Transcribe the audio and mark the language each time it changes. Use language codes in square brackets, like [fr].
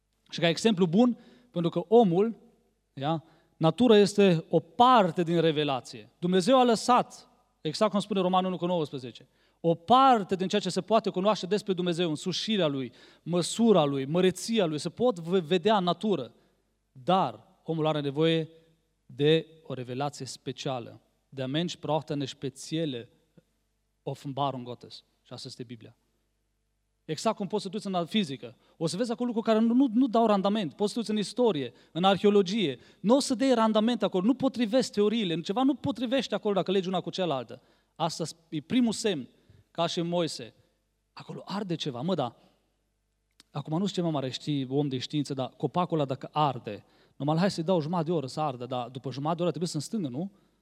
[ro] Și ca exemplu bun, pentru că omul, ia, natura este o parte din revelație. Dumnezeu a lăsat, exact cum spune Romanul 1:19, o parte din ceea ce se poate cunoaște despre Dumnezeu, însușirea Lui, măsura Lui, măreția Lui, se pot vedea în natură, dar omul are nevoie de o revelație specială. [de] Der Mensch braucht eine spezielle Offenbarung Gottes. [ro] Și asta este Biblia. Exact cum poți să te uiți în fizică. O să vezi acolo lucruri care nu dau randament. Poți să te uiți în istorie, în arheologie. Nu o să dea randament acolo, nu potrivești teoriile. Ceva nu potrivește acolo dacă legi una cu cealaltă. Asta e primul semn, ca și Moise. Acolo arde ceva, mă, da. Acum nu știu ce mai mare știi, om de știință, dar copacul ăla dacă arde, numai hai să-i dau jumătate de oră să ardă, dar după jumătate de oră trebuie să-mi stângă, nu?